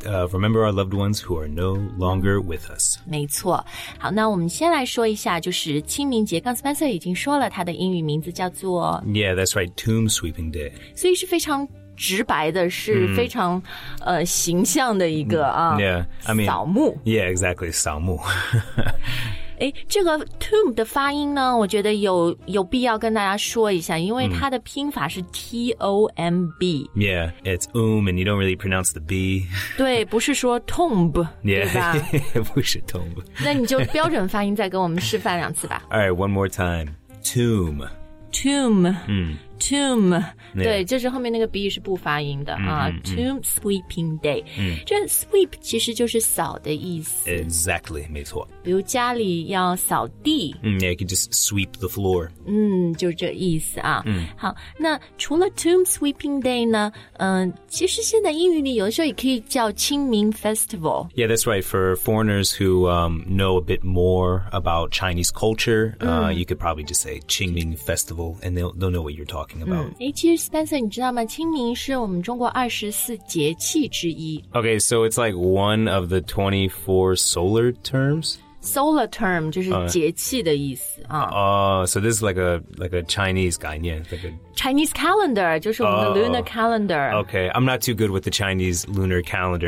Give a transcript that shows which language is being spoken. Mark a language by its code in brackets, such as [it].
[en] Remember our loved ones who are no longer with us. [zh] 没错。好，那我们先来说一下，就是清明节。刚 Spencer 已经说了，他的英语名字叫做 [en] Yeah, that's right. Tomb Sweeping Day. [zh] 所以是非常直白的，是非常形象的一个啊。 [en] Yeah, I mean [zh] 扫墓。 [en] Yeah, exactly. 扫墓。 [zh] 哎，这个 tomb 的发音呢，我觉得有必要跟大家说一下，因为它的拼法是 T-O-M-B. [en] Yeah, it's tomb, and you don't really pronounce the B. [zh] 对，不是说 tomb, 对吧？ Yeah, 不是 tomb. 那你就标准发音再给我们示范两次吧。 [en] All right, one more time. Tomb. Tomb. Tomb.、Yeah. [zh] 对，就是后面那个 B 是不发音的、Tomb Sweeping Day.、这 sweep 其实就是扫的意思。 [en] Exactly, [zh] 没错。比如家里要扫地。 [en] Yeah, you can just sweep the floor. [zh] 就这意思啊。好，那除了 Tomb Sweeping Day 呢、其实现在英语里有的时候也可以叫清明 Festival. [en] Yeah, that's right. For foreigners who、know a bit more about Chinese culture,、you could probably just say 清明 Festival, and they'll know what you're talking about. [zh] 其实 Spencer, 你知道吗？清明是我们中国二十四节气之一。 [en] Okay, so it's like one of the 24 solar terms? [zh] Solar term 就是节气的意思啊。 [en] So this is like a Chinese 概念 [zh] Chinese calendar 就是我们的 lunar calendar. [en] Okay, I'm not too good with the Chinese lunar calendar.